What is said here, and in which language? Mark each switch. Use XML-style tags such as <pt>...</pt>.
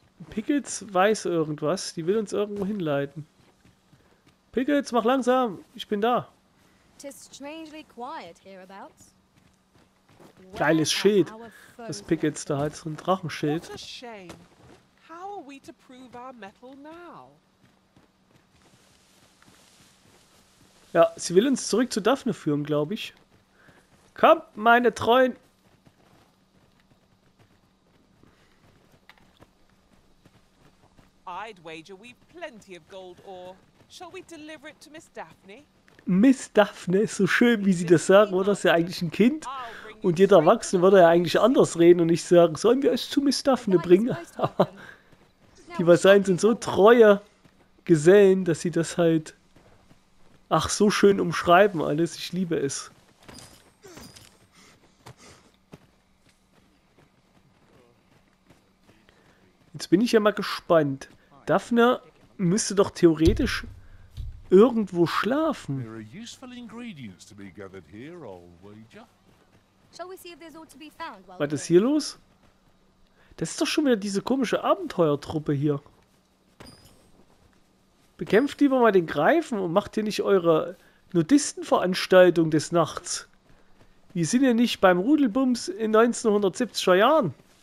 <de>Pickles weiß irgendwas, die will uns irgendwo hinleiten. Pickles, mach langsam, ich bin da.</de> <en>Tis strangely quiet hereabouts.</en> <de>Geiles Schild, das Pickles da hat, so ein Drachenschild.</de> <en>What a shame. How are we to prove our mettle now?</en> <de>Ja, sie will uns zurück zu Daphne führen, glaube ich. Komm, meine Treuen!</de> <en>I'd wager we've plenty of gold ore. Shall we deliver it to Miss Daphne?</en> <de>Miss Daphne, so schön, wie sie das sagen, oder? Das ist ja eigentlich ein Kind. Und jeder Erwachsene würde ja eigentlich anders reden und nicht sagen, sollen wir es zu Miss Daphne bringen? Die Vasallen sind so treue Gesellen, dass sie das halt, ach, so schön umschreiben alles. Ich liebe es. Jetzt bin ich ja mal gespannt. Daphne müsste doch theoretisch irgendwo schlafen.</de> <en>There are useful ingredients to be gathered here, I'll wager. Shall we see if there's all to be found?</en> <de>Was ist hier los? Das ist doch schon wieder diese komische Abenteuertruppe hier. Bekämpft lieber mal den Greifen und macht hier nicht eure Nudistenveranstaltung des Nachts. Wir sind ja nicht beim Rudelbums in 1970er Jahren.</de>